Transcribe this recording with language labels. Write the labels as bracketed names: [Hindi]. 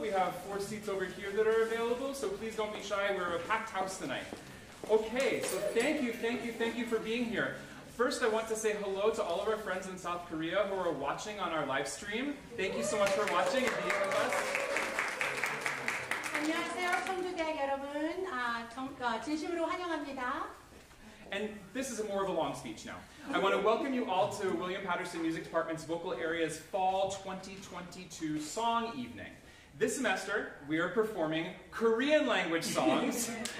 [English] We have four seats over here that are available, so please don't be shy. We're a packed house tonight. Okay, so thank you for being here. First, I want to say hello to all of our friends in South Korea who are watching on our live stream. Thank you so much for watching and being with us. [Korean] 안녕하세요, 청주대학 여러분. 진심으로 환영합니다. [English] And this is more of a long speech now. I want to welcome you all to William Paterson Music Department's Vocal Area's Fall 2022 Song Evening. This semester, we are performing Korean language songs.